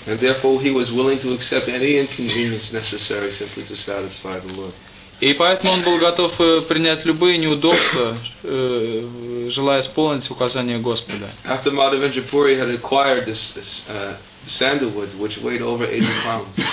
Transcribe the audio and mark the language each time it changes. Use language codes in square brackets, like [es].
[en] And therefore, he was willing to accept any inconvenience necessary simply to satisfy the Lord. [ru] И поэтому он был готов принять любые неудобства, желая исполнить указания Господа. [en] After Madhavendra Puri had acquired this, this sandalwood, which weighed over 80 pounds.